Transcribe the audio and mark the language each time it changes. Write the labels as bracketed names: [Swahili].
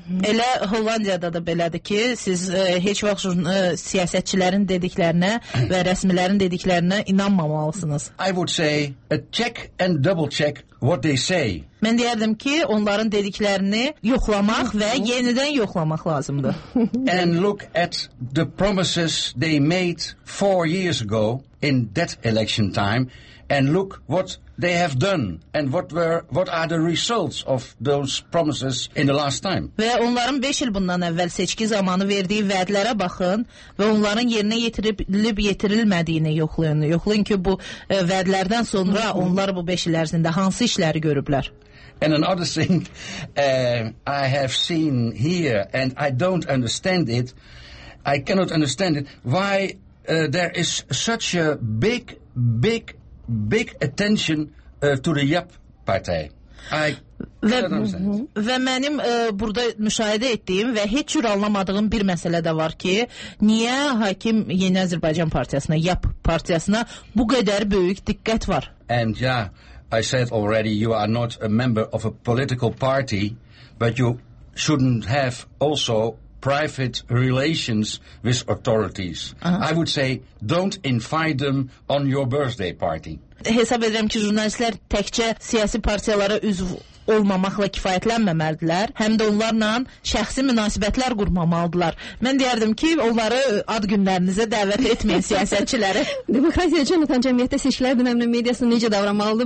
[Azerbaijani] Elə Hollandiyada da belədir ki, siz heç vaxt siyasətçilərin dediklərinə və rəsmilərin dediklərinə inanmamalısınız. [English] I would say a check and double check what they say. [Azerbaijani] Mən deyərdim ki, onların dediklərini yoxlamaq və yenidən yoxlamaq lazımdır. [English] And look at the promises they made 4 years ago in that election time and look what they have done and what are the results of those promises in the last time. [Azerbaijani] Və onların 5 il bundan əvvəl seçki zamanı verdiyi vədlərə baxın və onların yerinə yetirilib yetirilmədiyini yoxlayın ki bu vədlərdən sonra onlar bu 5 il ərzində hansı işləri görüblər. [English] And another thing I have seen here and I don't understand it, I cannot understand it, why there is such a big attention to the YAP party. [Azerbaijani] Və mənim burada müşahidə etdiyim və heç cür anlamadığım bir məsələ də var ki, niyə hakim Yeni Azərbaycan partiyasına, YAP partiyasına bu qədər böyük diqqət var? [English] And yeah, I said already you are not a member of a political party, but you shouldn't have also private relations with authorities. I would say don't invite them on your birthday party. [Azerbaijani] Hesab edirəm ki, jurnalistlər təkcə siyasi partiyalara üzv olmamaqla kifayətlənməməlidirlər, həm də onlarla şəxsi münasibətlər qurmamalıdırlar. Mən deyərdim ki, onları ad günlərinizə dəvət etməyin siyasətçiləri. Demokratiya can atan cəmiyyətdə seçkilər dönəminin mediyası necə davranmalıdır?